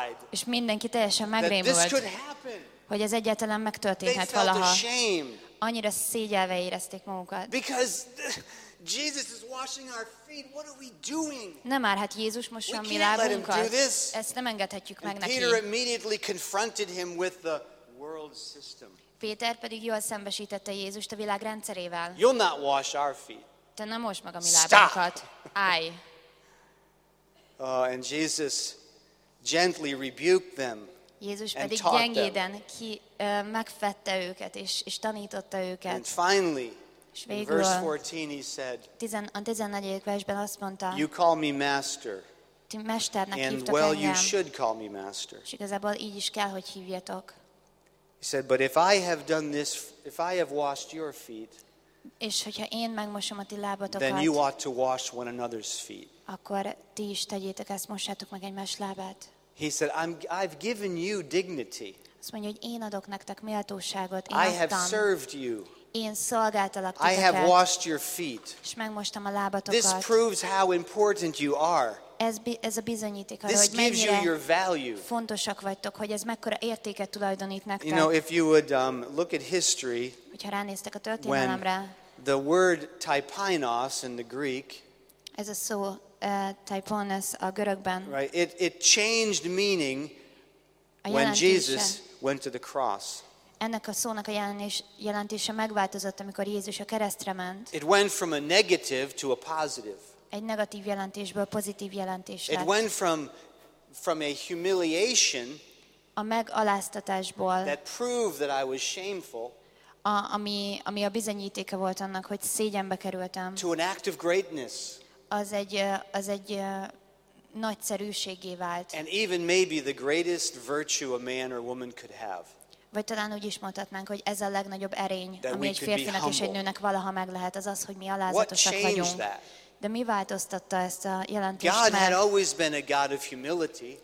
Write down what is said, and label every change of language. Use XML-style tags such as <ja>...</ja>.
<hu>és mindenki teljesen megrémült, hogy ez egyáltalán megtörténhet valaha. Annyira szégyelve érezték magukat.</hu> <en>Jesus is washing our feet. What are we doing?</en> <hu>Nem árhat Jézus mossa mi lábunkat. Ezt nem engedhetjük meg neki.</hu> <en>Peter immediately confronted him with the world system.</en> <hu>Péter pedig jól szembesítette Jézust a világ rendszerével.</hu> <en>You'll not wash our feet.</en> <hu>Te nem mossd meg a mi lábunkat. Állj.</hu> <en>And Jesus gently rebuked them.</en> <hu>Jézus pedig gyengéden megfette őket és tanította őket.</hu> <en>And finally, in verse 14, he said,</en> <hu>a 14. versben azt mondta,</hu> <en>you call me master,</en> <hu>ti mesternek</hu> <en>and</en> <hu>hívtok</hu> <en>well,</en> <hu>engem,</hu> <en>you should call me master.</en> <hu>És igazából így is kell, hogy hívjatok.</hu> <en>He said, but if I have done this, if I have washed your feet,</en> <hu>és hogyha én megmosom a ti lábatokat,</hu> <en>then you ought to wash one another's feet.</en> <hu>Akkor ti is tegyétek ezt, mossátok meg egymás lábát.</hu> <en>He said, I've given you dignity.</en> <hu>Azt mondja, hogy én adok nektek méltóságot.</hu> <en>I have served you.</en> <hu>Én szolgáltalak titeket,</hu> <en>I have washed your feet.</en> <hu>És megmostam a lábatokat.</hu> <en>This proves how important you are.</en> <hu>Ez a bizonyíték,</hu> <en>this</en> <hu>hogy</hu> <en>gives you your value.</en> <hu>Fontosak vagytok, hogy ez mekkora értéket tulajdonít nektek.</hu> <en>You know, if you would look at history,</en> <hu>hogyha ránéztek a történelemre,</hu> <en>the word typinos in the Greek,</en> <hu>ez a szó typonos a görögben,</hu> <en>right, it changed meaning when Jesus went to the cross.</en> <hu>Ennek a szónak a jelentése megváltozott, amikor Jézus a keresztre ment.</hu> <en>It went from a negative to a positive.</en> <hu>Egy negatív jelentésből pozitív jelentés lett.</hu> <en>It went from a humiliation,</en> <hu>a megaláztatásból,</hu> <en>that proved that I was shameful,</en> <hu>ami a bizonyítéka volt annak, hogy szégyenbe kerültem,</hu> <en>to an act of greatness,</en> <hu>az egy nagyszerűséggé vált.</hu> <en>And even maybe the greatest virtue a man or woman could have.</en> <hu>Vagy talán úgy is mondhatnánk, hogy ez a legnagyobb erény, ami egy férfinak és egy nőnek valaha meg lehet, az, hogy mi alázatosak vagyunk. De mi változtatta ezt a jelentést meg?</hu>